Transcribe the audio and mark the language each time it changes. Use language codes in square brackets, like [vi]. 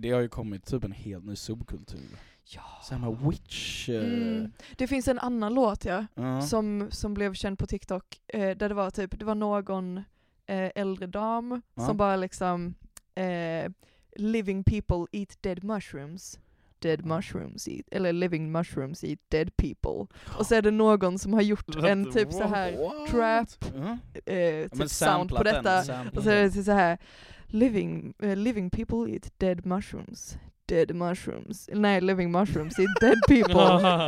[sv] det har ju kommit typ en helt ny subkultur. Ja. Så här med witch. Det finns en annan låt som blev känd på TikTok där det var typ det var någon äldre dam som bara liksom [en] living people eat dead mushrooms. Dead mushrooms eat, [sv] eller [en] living mushrooms eat dead people. [sv] Och så är det någon som har gjort en typ så här trap typ sound på detta. Och så är det så här [en] living people eat dead mushrooms. Dead mushrooms. [sv] Nej, [en] living mushrooms eat dead people.